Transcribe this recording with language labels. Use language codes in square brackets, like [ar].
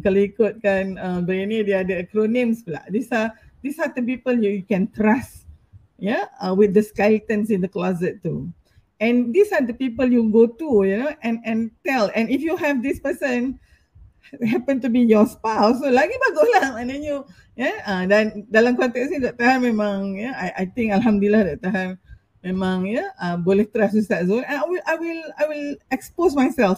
[ms] Kalau ikutkan Brené, dia ada acronyms pula. [en] These are the people you can trust. Yeah, with the skeletons in the closet too. And these are the people you go to, and tell. And if you have this person happen to be your spouse, so [ms] lagi baguslah. [en] And then [ms] dan dalam konteks ni, Dr. Han memang, [en] I think [ms] Alhamdulillah Dr. Han memang, boleh trust Ustaz Zul. [en] And I will expose myself.